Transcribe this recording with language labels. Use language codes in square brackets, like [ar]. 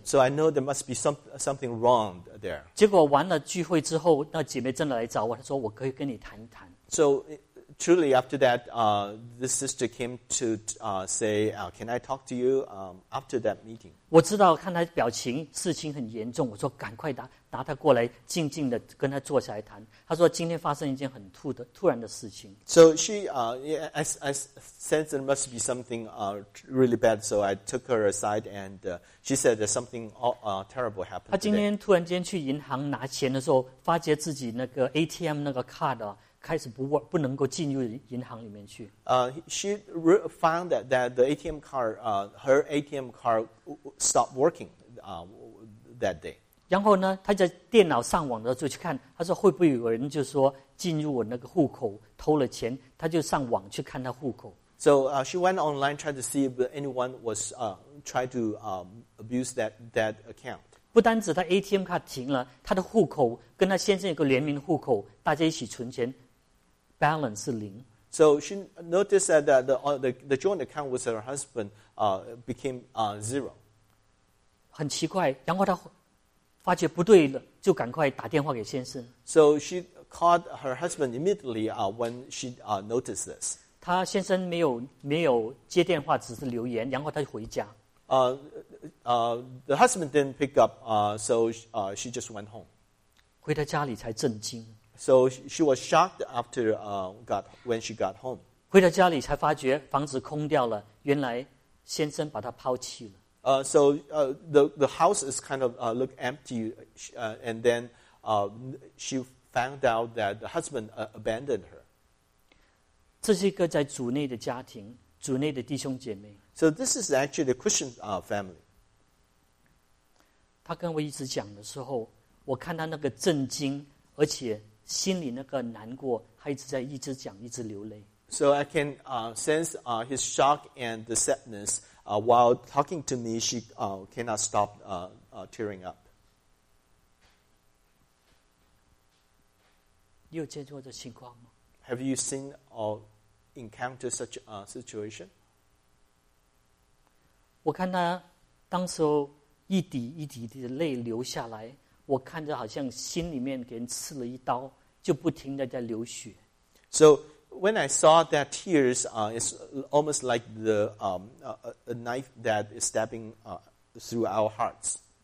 [en] So I know there must be something wrong there. [zh] 结果完了聚会之后，那姐妹真的来找我，她说我可以跟你谈一谈。 [en] So truly after that, this sister came to say, can I talk to you after that meeting? [zh] 我知道看她表情，事情很严重，我说赶快拿她过来，静静的跟她坐下来谈。她说今天发生一件很突然的事情。 [en] So she, I sense there must be something really bad, so I took her aside and she said that something terrible happened. [zh] 她今天突然间去银行拿钱的时候，发觉自己那个 ATM 那个 card 开始不能够进入银行里面去。 [en] She found that the ATM card, her ATM card stopped working that day. [zh] 然后呢，她在电脑上网的时候去看，她说会不会有人就说进入我那个户口偷了钱？她就上网去看她户口。 [en] So she went online trying to see if anyone was trying to abuse that account. [zh] 不单止他 ATM 卡停了，他的户口跟他先生有个联名户口，大家一起存钱 ，balance 是零。 [en] So she noticed that the joint account with her husband became zero. [zh] 很奇怪，然后他发觉不对了，就赶快打电话给先生。 [en] So she called her husband immediately when she noticed this. [zh] 他先生没有接电话，只是留言，然后他就回家。 [en] The husband didn't pick up, she just went home. [zh] 回到家里才震惊。 [en] So she was shocked after when she got home. [zh] 回到家里才发觉房子空掉了，原来先生把她抛弃了。 [en] So the house is kind of look empty, and then she found out that the husband abandoned her. [zh] 这是一个在主内的家庭，主内的弟兄姐妹。 [en] So this is actually a Christian family. [zh] 他跟我一直讲的时候，我看他那个震惊，而且心里那个难过，他一直讲，一直流泪。 [en] So I can sense his shock and the sadness. While talking to me, she cannot stop tearing up. [zh] 你有见过这情况吗？ [en] Have you seen or encountered such a situation? [zh] 我看他当时候一滴一滴的泪流下来，我看着好像心里面给人刺了一刀，就不停的在流血。 [en] So when I saw that tears, it's almost like the a knife that is stabbing through our hearts.